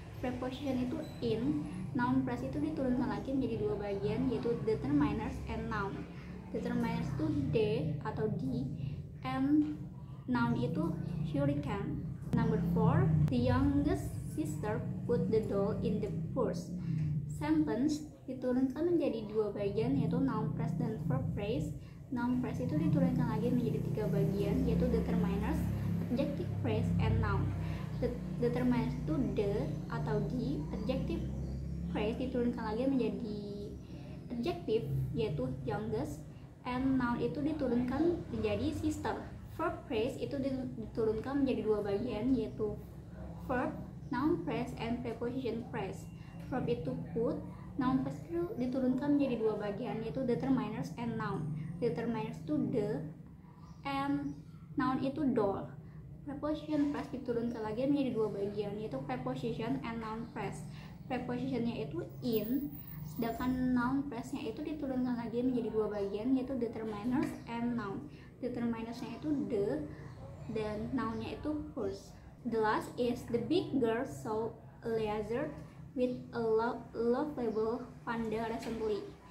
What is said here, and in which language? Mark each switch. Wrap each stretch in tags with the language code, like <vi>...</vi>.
<id>Preposition itu in, noun phrase itu diturunkan lagi menjadi dua bagian, yaitu</id> <en>determiners and noun.</en> <id>Determiners itu de atau di, and noun itu hurricane.</id> <en>Number 4, the youngest sister put the doll in the purse.</en> <id>Sentence diturunkan menjadi dua bagian, yaitu noun phrase dan verb phrase. Noun phrase itu diturunkan lagi menjadi tiga bagian, yaitu</id> <en>determiners, adjective phrase, and noun.</en> <id>Determiners itu the atau the. Adjective phrase diturunkan lagi menjadi adjective, yaitu youngest, and noun itu diturunkan menjadi sister. Verb phrase itu diturunkan menjadi dua bagian, yaitu</id> <en>verb, noun phrase, and preposition phrase.</en> <id>Verb itu put, noun phrase itu diturunkan menjadi dua bagian, yaitu</id> <en>determiners and noun.</en> <id>Determiners itu the, and noun itu doll. Preposition phrase diturunkan lagi menjadi dua bagian, yaitu</id> <en>preposition and noun phrase.</en> <id>Prepositionnya itu in, sedangkan noun phrase-nya itu diturunkan lagi menjadi dua bagian, yaitu</id> <en>determiners and noun.</en> <id>Determiners-nya itu the, dan noun-nya itu whose.</id> <en>The last is, the big girl saw a lizard with a lovable panda recently.</en>